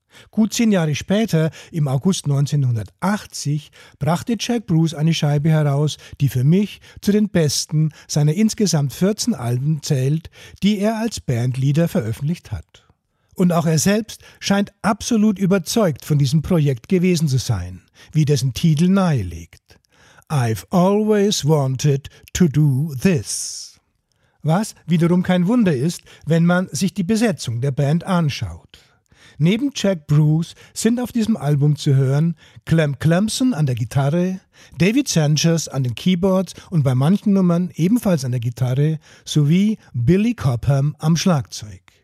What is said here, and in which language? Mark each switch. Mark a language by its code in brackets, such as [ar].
[de] Gut 10 Jahre später, im August 1980, brachte Jack Bruce eine Scheibe heraus, die für mich zu den besten seiner insgesamt 14 Alben zählt, die er als Bandleader veröffentlicht hat. Und auch er selbst scheint absolut überzeugt von diesem Projekt gewesen zu sein, wie dessen Titel nahelegt. [en] I've always wanted to do this. [de] Was wiederum kein Wunder ist, wenn man sich die Besetzung der Band anschaut. Neben Jack Bruce sind auf diesem Album zu hören Clem Clemson an der Gitarre, David Sanchez an den Keyboards und bei manchen Nummern ebenfalls an der Gitarre sowie Billy Cobham am Schlagzeug.